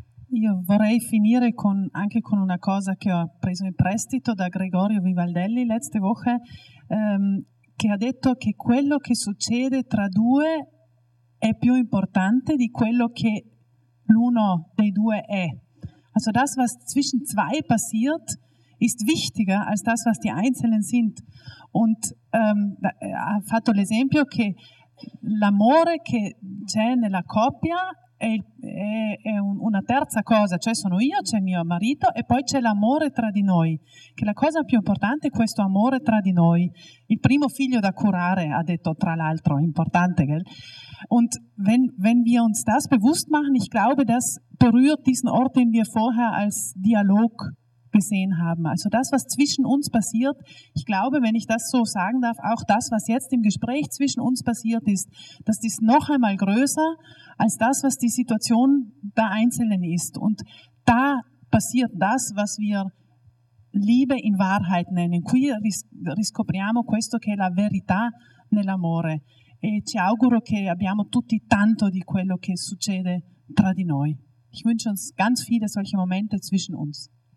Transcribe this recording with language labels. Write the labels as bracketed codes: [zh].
[it] Io vorrei finire anche con una cosa che ho preso in prestito da Gregorio Vivaldelli [de] letzte Woche, [it] che ha detto che quello che succede tra due è più importante di quello che l'uno dei due è. [de] Also das, was zwischen zwei passiert, ist wichtiger als das, was die Einzelnen sind. [it] Und ha fatto l'esempio che l'amore che c'è nella coppia è una terza cosa, cioè sono io, c'è mio marito e poi c'è l'amore tra di noi, che la cosa più importante è questo amore tra di noi, il primo figlio da curare, ha detto tra l'altro, importante, gell? [de] Und wenn wir uns das bewusst machen, ich glaube, das berührt diesen Ort, den wir vorher als Dialog gesehen haben, also das, was zwischen uns passiert, ich glaube, wenn ich das so sagen darf, auch das, was jetzt im Gespräch zwischen uns passiert ist, das ist noch einmal größer als das, was die Situation der Einzelnen ist. Und da passiert das, was wir Liebe in Wahrheit nennen. [it] Qui riscopriamo questo che è la verità nell'amore. E ci auguro che abbiamo tutti tanto di quello che succede tra di noi. [de] Ich wünsche uns ganz viele solche Momente zwischen uns.